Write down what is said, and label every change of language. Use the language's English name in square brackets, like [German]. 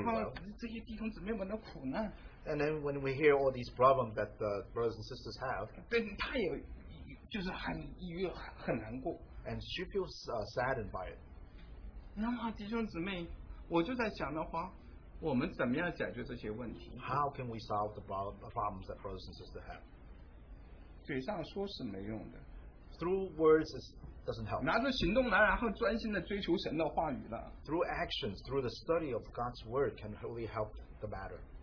[Chinese] 来到这个姊妹会，然后回去，然后说，然后这些弟兄姊妹们的苦难。 [English] And then when we hear all these problems that the brothers and sisters have, [Chinese] 对，她也就是很抑郁，很难过。 [English] And she feels saddened by it. [Chinese] 那么弟兄姊妹，我就在想的话，我们怎么样解决这些问题？ [English] How can we solve the problems that brothers and sisters have? [Chinese] 嘴上说是没用的。 [English] Through words is doesn't help. [Chinese] 拿着行动来，然后专心的追求神的话语了。 [English] Through actions, through the study of God's word, can really help the matter.